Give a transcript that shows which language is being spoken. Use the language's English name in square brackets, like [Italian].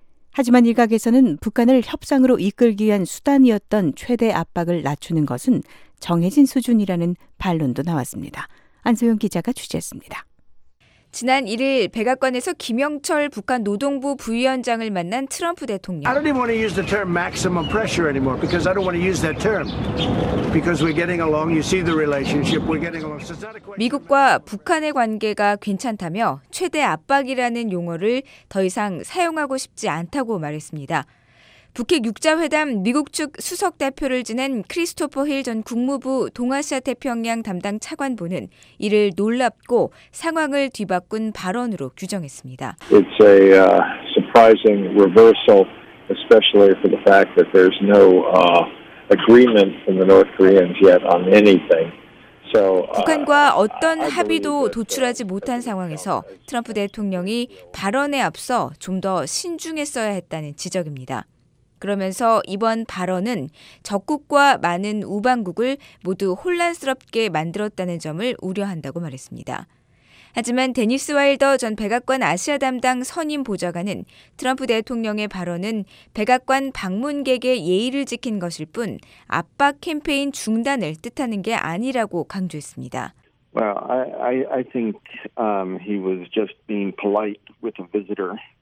[Korean] 하지만 일각에서는 북한을 협상으로 이끌기 위한 수단이었던 최대 압박을 낮추는 것은 정해진 수준이라는 반론도 나왔습니다. 안소영 기자가 취재했습니다. 지난 1일 백악관에서 김영철 북한 노동부 부위원장을 만난 트럼프 대통령. [English] I don't even want to use the term maximum pressure anymore because I don't want to use that term because we're getting along. You see the relationship. We're getting along. So it's not a question. [Korean] 미국과 북한의 관계가 괜찮다며 최대 압박이라는 용어를 더 이상 사용하고 싶지 않다고 말했습니다. 북핵 6자 회담 미국 측 수석 대표를 지낸 크리스토퍼 힐 전 국무부 동아시아 태평양 담당 차관보는 이를 놀랍고 상황을 뒤바꾼 발언으로 규정했습니다. [English] It's a surprising reversal, especially for the fact that there's no agreement from the North Koreans yet on anything. [Korean] 북한과 어떤 합의도 도출하지 못한 상황에서 트럼프 대통령이 발언에 앞서 좀 더 신중했어야 했다는 지적입니다. 그러면서 이번 발언은 적국과 많은 우방국을 모두 혼란스럽게 만들었다는 점을 우려한다고 말했습니다. 하지만 데니스 와일더 전 백악관 아시아 담당 선임 보좌관은 트럼프 대통령의 발언은 백악관 방문객의 예의를 지킨 것일 뿐 압박 캠페인 중단을 뜻하는 게 아니라고 강조했습니다. [English] Well, I think he was just being polite with a visitor.